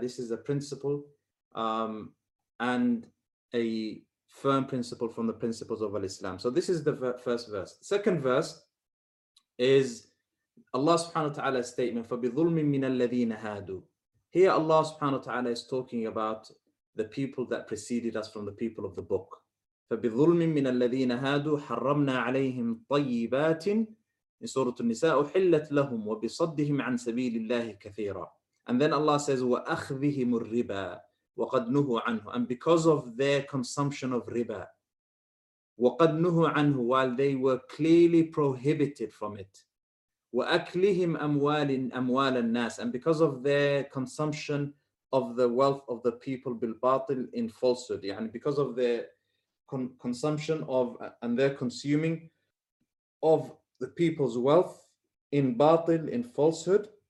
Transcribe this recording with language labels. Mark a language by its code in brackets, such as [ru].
[en] This is the principle. And a firm principle from the principles of Al-Islam. So this is the first verse. Second verse is Allah subhanahu wa ta'ala's statement, [ar] فَبِظُلْمٍ مِّنَ الَّذِينَ هَادُوا. [en] Here Allah subhanahu wa ta'ala is talking about the people that preceded us from the people of the book. [ar] فَبِظُلْمٍ مِّنَ الَّذِينَ هَادُوا حَرَّمْنَا عَلَيْهِمْ طَيِّبَاتٍ [en] in Surah An-Nisa [ar] أُحِلَّتْ لَهُمْ وَبِصَدِّهِمْ عَنْ سَبِيلِ اللَّهِ كَثِيرًا. [en] And then Allah says, [ar] وَأَخْذِهِمُ الرِّبَا وَقَدْ نُهُ عَنْهُ. [en] And because of their consumption of riba, [ar] وَقَدْ نُهُ عَنْهُ, [en] while they were clearly prohibited from it, [ar] وَأَكْلِهِمْ أَمْوَالَ النَّاسِ, [en] and because of their consumption of the wealth of the people بِالْبَاطِلِ in falsehood, يعني because of their consumption of and their consuming of the people's wealth in batil, in falsehood.